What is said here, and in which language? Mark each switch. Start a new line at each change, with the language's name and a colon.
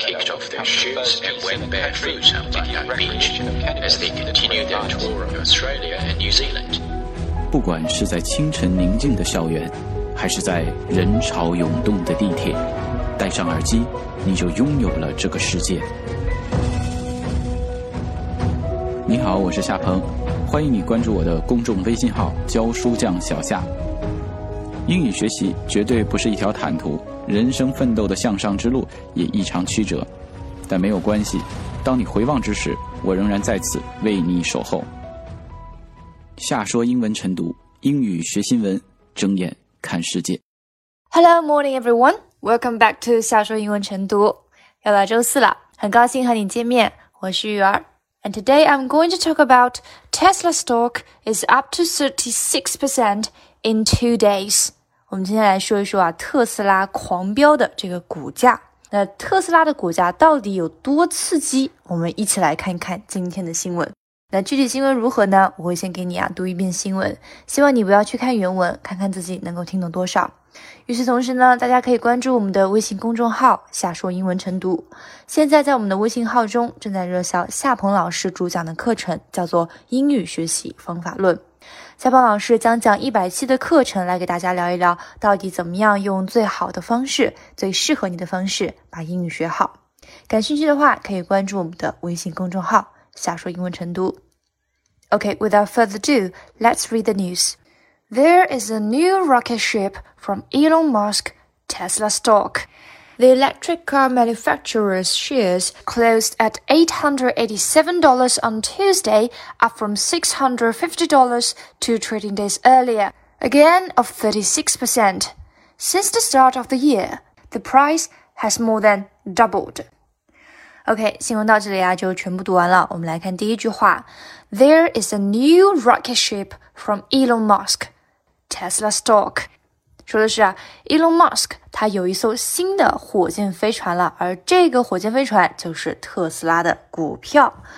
English: kicked off their shoes and went barefoot on the beach as they continued their tour of Australia and New Zealand.
Chinese: 不管是在清晨宁静的校园，还是在人潮涌动的地铁，戴上耳机，你就拥有了这个世界。你好，我是夏鹏，欢迎你关注我的公众微信号教书匠小夏。英语学习绝对不是一条坦途，人生奋斗的向上之路也异常曲折，但没有关系，当你回望之时，我仍然在此为你守候。夏说英文晨读，英语学新闻，睁眼看世界。
English: Hello, morning everyone, welcome back to 夏说英文晨读。
Chinese: 又来周四了，很高兴和你见面，我是玉儿。
English: And today I'm going to talk about Tesla stock is up to 36% in 2 days.
Chinese: 我们今天来说一说啊，特斯拉狂飙的这个股价。那特斯拉的股价到底有多刺激？我们一起来看看今天的新闻。那具体新闻如何呢？我会先给你啊读一遍新闻，希望你不要去看原文，看看自己能够听懂多少。与此同时呢，大家可以关注我们的微信公众号夏说英文晨读。现在在我们的微信号中正在热销夏鹏老师主讲的课程，叫做英语学习方法论。夏鹏老师将讲100期的课程，来给大家聊一聊到底怎么样用最好的方式，最适合你的方式把英语学好。感兴趣的话可以关注我们的微信公众号夏说英文晨读。
English: OK, without further ado, let's read the news. There is a new rocket ship from Elon Musk, Tesla stock. The electric car manufacturer's shares closed at $887 on Tuesday, up from $650 two trading days earlier, again of 36%. Since the start of the year, the price has more than doubled.
Chinese: OK, 新闻到这里啊就全部读完了。我们来看第一句话。
English: There is a new rocket ship from Elon Musk, Tesla stock.
Chinese: 说的是啊 ,Elon Musk, 他有一艘新的火箭飞船了，而这个火箭飞船就是特斯拉的股票。